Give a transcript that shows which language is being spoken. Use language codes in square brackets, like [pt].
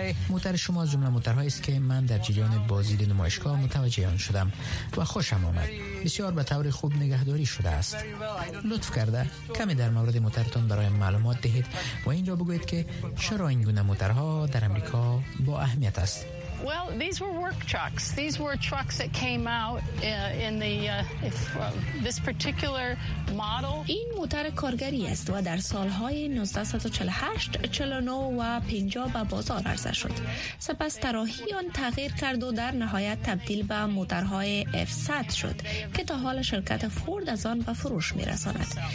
[fa] موتر شما از جمله موترهایی است که من در جریان بازدید نمایشگاه متوجه آن شدم و خوشم آمد. بسیار به طور خوب نگهداری شده است. لطف کرده کمی در مورد موترتون برای معلومات دهید و اینجا بگوید که چرا این گونه موترها در امریکا با اهمیت است. [en] Well, these were work trucks. These were trucks that came out in the this particular model. [fa] این موتر کارگری است و در سالهای 1948, 49 و 50 به بازار عرضه شد. سپس طراحی آن تغییر کرد و در نهایت تبدیل به موترهای F100 شد که تا حال شرکت فورد از آن به فروش می‌رساند.